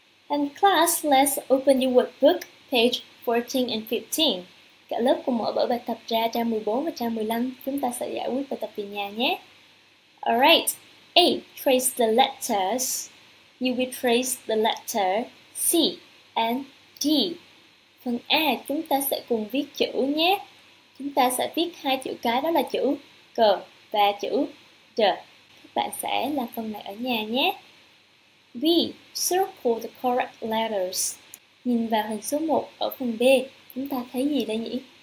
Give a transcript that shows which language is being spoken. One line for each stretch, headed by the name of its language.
English: And class, let's open your workbook, page 14 and 15.
Vietnamese: Cả lớp cùng mở vở bài tập ra trang 14 và trang 15. Chúng ta sẽ giải quyết bài tập về nhà nhé.
English: Alright, A. Trace the letters. You will trace the letter C and D.
Vietnamese: Phần A, chúng ta sẽ cùng viết chữ nhé. Chúng ta sẽ viết 2 chữ cái, đó là chữ C và chữ D. Các bạn sẽ làm phần này ở nhà nhé. B.
English: Circle the correct letters.
Vietnamese: Nhìn vào hình số 1 ở phần B, chúng ta thấy gì đây nhỉ?